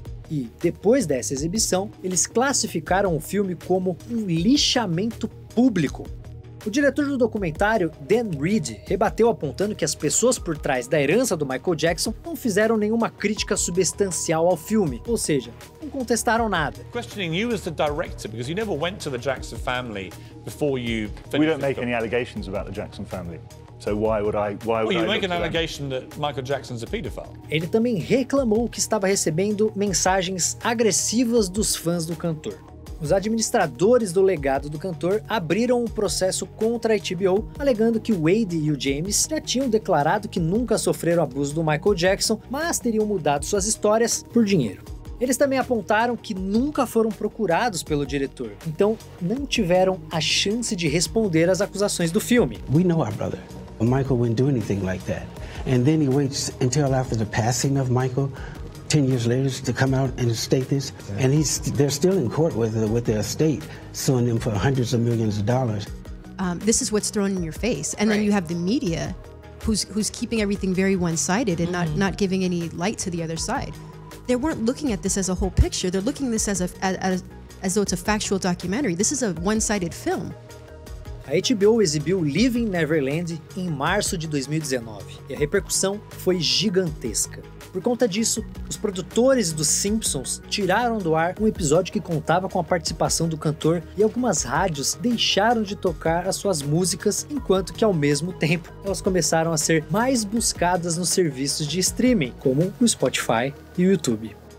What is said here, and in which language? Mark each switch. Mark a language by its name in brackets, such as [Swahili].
[Portuguese] E depois dessa exibição, eles classificaram o filme como um lixamento público. O diretor do documentário, Dan Reed, rebateu apontando que as pessoas por trás da herança do Michael Jackson não fizeram nenhuma crítica substancial ao filme, ou seja, não contestaram nada. [English] Questioning you as the director because you never went to the Jackson family before you finished. We don't make any allegations about the Jackson family. So why would you make an allegation that Michael Jackson's a pedophile? [Portuguese] Ele também reclamou que estava recebendo mensagens agressivas dos fãs do cantor. Os administradores do legado do cantor abriram um processo contra a HBO, alegando que Wade e o James já tinham declarado que nunca sofreram abuso do Michael Jackson, mas teriam mudado suas histórias por dinheiro. Eles também apontaram que nunca foram procurados pelo diretor, então não tiveram a chance de responder às acusações do filme. [English] We know our brother, but Michael wouldn't do anything like that. And then he waits until after the passing of Michael. 10 years later to come out and state this, and they're still in court with the estate suing them for hundreds of millions of dollars. This is what's thrown in your face, and then you have the media, who's keeping everything very one-sided and not giving any light to the other side. They weren't looking at this as a whole picture. They're looking at this as though it's a factual documentary. This is a one-sided film. [Portuguese] A HBO exibiu Leaving Neverland em março de 2019, e a repercussão foi gigantesca. Por conta disso, os produtores dos Simpsons tiraram do ar um episódio que contava com a participação do cantor e algumas rádios deixaram de tocar as suas músicas, enquanto que, ao mesmo tempo, elas começaram a ser mais buscadas nos serviços de streaming, como o Spotify e o YouTube.